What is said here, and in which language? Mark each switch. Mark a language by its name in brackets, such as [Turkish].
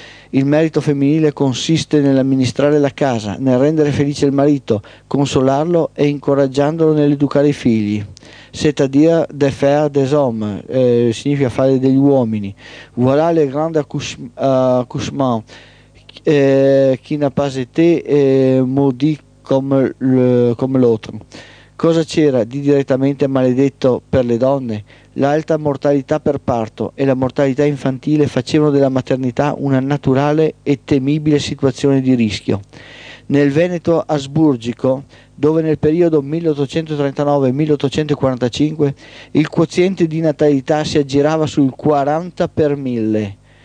[Italian] Il merito femminile consiste nell'amministrare la casa, nel rendere felice il marito, consolarlo e incoraggiandolo nell'educare i figli. [French] C'est à dire de faire des hommes, [Italian] significa fare degli uomini. [French] Voilà le grand accouchement qui n'a pas été maudit comme l'autre. [Italian] Cosa c'era di direttamente maledetto per le donne? L'alta mortalità per parto e la mortalità infantile facevano della maternità una naturale e temibile situazione di rischio. Nel Veneto asburgico, dove nel periodo 1839-1845 il quoziente di natalità si aggirava sul 40 per mille,